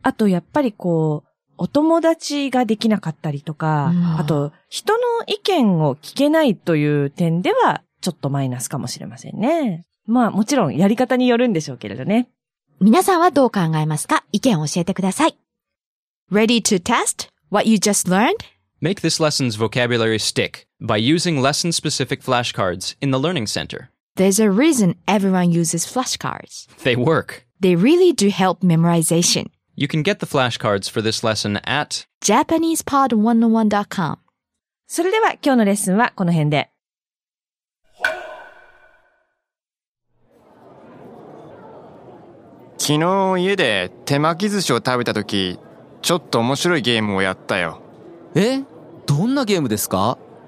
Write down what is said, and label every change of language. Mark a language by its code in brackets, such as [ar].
[ja] あとやっぱりこう、お友達ができなかったりとか、あと人の意見を聞けないという点ではちょっとマイナスかもしれませんね。まあもちろんやり方によるんでしょうけれどね。皆さんはどう考えますか？意見を教えてください。 [en] Ready to test what you just learned? Make this lesson's vocabulary stick by using lesson-specific flashcards in the Learning Center. There's a reason everyone uses flashcards. They work. They really do help memorization. You can get the flashcards for this lesson at JapanesePod101.com. [ja] それでは今日のレッスンはこの辺で。昨日家で手巻き寿司を食べた時、ちょっと面白いゲームをやったよ。え？どんなゲームですか？